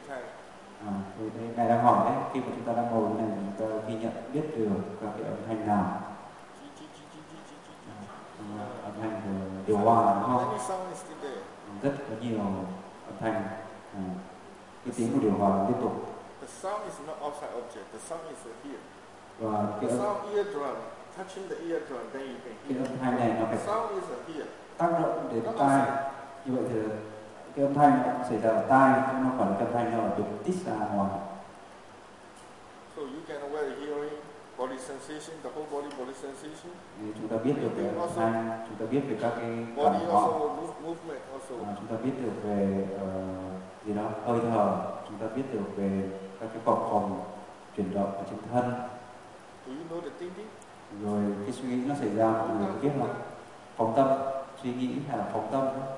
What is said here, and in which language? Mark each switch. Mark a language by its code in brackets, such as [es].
[vi] time. À, thì đây, ngài đang hỏi đấy, khi mà chúng ta đang ngồi này, chúng ta ghi nhận biết được các cái âm thanh nào. Âm thanh của điều hòa đúng không? Rất có nhiều âm thanh. Cái tiếng của điều hòa tiếp tục. [en] The sound is not outside object, the sound is here. The sound eardrum, touching the eardrum, then you can hear. [vi] Cái âm thanh này nó phải [en] the sound is here. [vi] Tác động đến tai. Như vậy thì cái âm thanh nó xảy ra ở tai, nó còn cái âm thanh nó được tiết ra ngoài. [en] So you can aware of hearing, body sensation, the whole body, body sensation. [vi] Thì chúng ta biết được về âm thanh, chúng ta biết về các cái [en] body cảm also, movement also. [vi] À, chúng ta biết được về gì đó, hơi thở, chúng ta biết được về các cái cọc phòng chuyển động ở trên thân. [en] Do you know the thinking? [vi] Rồi cái suy nghĩ nó xảy ra, mọi người có biết không? Phóng tâm, suy nghĩ hay là phóng tâm?